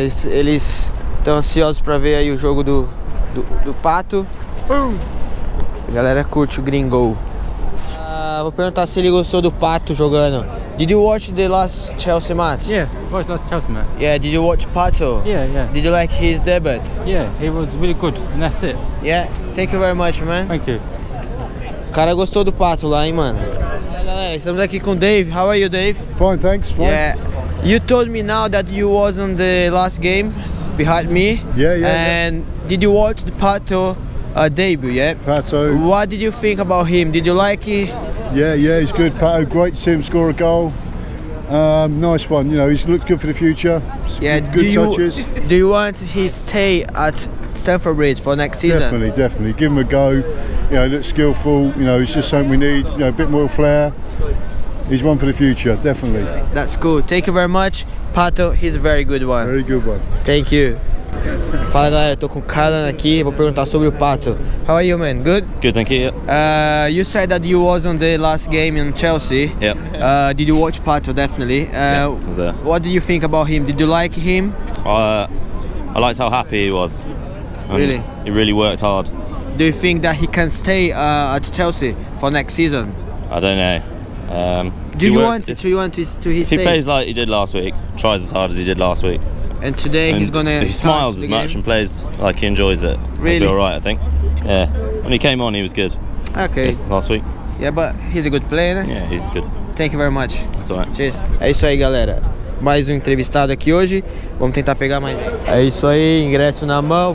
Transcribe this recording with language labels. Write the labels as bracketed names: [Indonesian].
[Portuguese] Eles estão ansiosos para ver aí o jogo do Pato. A galera curte o gringo. Vou perguntar se ele gostou do Pato jogando. [English] Did you watch the last Chelsea match? Yeah, watched last Chelsea match. Yeah, did you watch Pato? Yeah. Did you like his debut? Yeah, he was really good, and that's it. Yeah, thank you very much, man. Thank you. [Portuguese] O cara gostou do Pato lá, hein, mano? Galera, estamos aqui com Dave. [English] How are you, Dave? Fine, thanks. Fine. Yeah. You told me now that you was on the last game behind me. Yeah. And did you watch the Pato debut, yeah? Pato. What did you think about him? Did you like it? Yeah, he's good. Pato, great to see him score a goal. Nice one. You know, he's looked good for the future. Yeah, good touches. Do you want his stay at Stamford Bridge for next season? Definitely. Give him a go. You know, looks skillful. You know, he's just something we need. You know, a bit more flair. He's one for the future, definitely. That's cool. Thank you very much. Pato, he's a very good one. Very good one. Thank you. [Portuguese] Fala galera, tô com o Kalan aqui, vou perguntar sobre o Pato. [English] How are you, man? Good? Good, thank you. You said that you was on the last game in Chelsea. Yeah. Did you watch Pato? Definitely. Yeah, what did you think about him? Did you like him? I liked how happy he was. Really? He really worked hard. do you think that he can stay at Chelsea for next season? I don't know. Do you want to stay? He plays like he did last week, tries as hard as he did last week. And today and he's going to He smiles as much and plays like he enjoys it. Really? He'll be alright, I think. Yeah. When he came on, he was good. Okay. Yes, last week. Yeah, but he's a good player, né? Yeah, he's good. Thank you very much. That's alright. Cheers. [Portuguese] É isso aí, galera. Mais um entrevistado aqui hoje. Vamos tentar pegar mais gente. É isso aí, ingresso na mão.